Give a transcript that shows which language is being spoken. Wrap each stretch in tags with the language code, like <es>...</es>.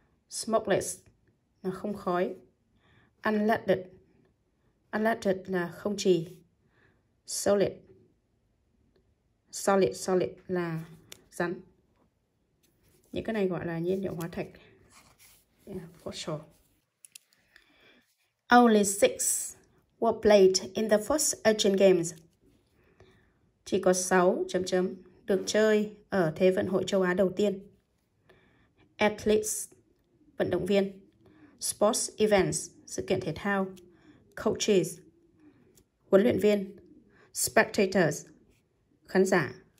<vi>Smokeless là không khói. Unleaded, unleaded là không chì.</vi> <en>Solid, solid, solid</en> <vi>là rắn. Những cái này gọi là nhiên liệu hóa thạch, yeah, fossil.</vi> <en>Only six were played in the first Asian Games.</en> <vi>Chỉ có 6 chấm chấm được chơi ở Thế vận hội châu Á đầu tiên. Athletes, vận động viên. Sports events, sự kiện thể thao. Coaches, huấn luyện viên. Spectators, khán giả.</vi>